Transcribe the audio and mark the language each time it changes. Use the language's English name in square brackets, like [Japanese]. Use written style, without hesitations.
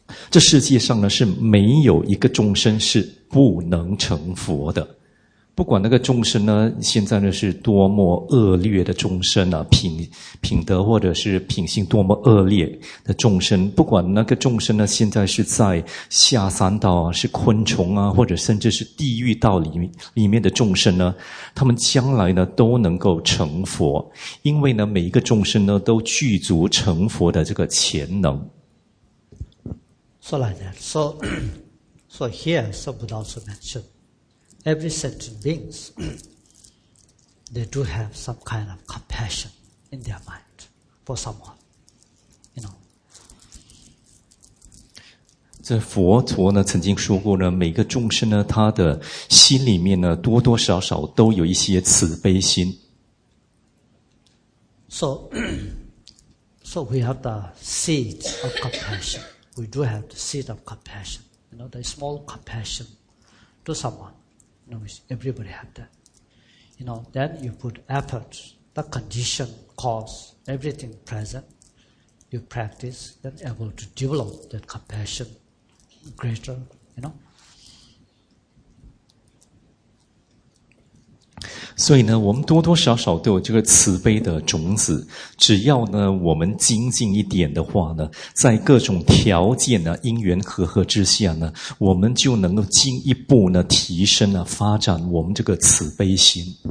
[Chinese] 这世界上呢，是没有一个众生是不能成佛的，不管那个众生呢，现在呢是多么恶劣的众生啊，品德或者是品性多么恶劣的众生，不管那个众生呢，现在是在下三道啊，是昆虫啊，或者甚至是地狱道里面的众生呢，他们将来呢都能够成佛，因为呢每一个众生呢都具足成佛的这个潜能。 [English] So like that. So here, so Buddha also mentioned, every sentient beings, they do have some kind of compassion in their mind for someone, you know. [Chinese] 这佛陀呢曾经说过呢，每个众生呢，他的心里面呢，多多少少都有一些慈悲心。 [English] So we have the seed of compassion. We do have the seed of compassion. You know, the small compassion to someone, you know, everybody have that. You know, then you put effort, the condition, cause, everything present, you practice, then able to develop that compassion greater, you know. [Chinese] 所以呢，我们多多少少都有这个慈悲的种子。只要呢，我们精进一点的话呢，在各种条件呢、因缘和合之下呢，我们就能够进一步呢提升呢、发展我们这个慈悲心。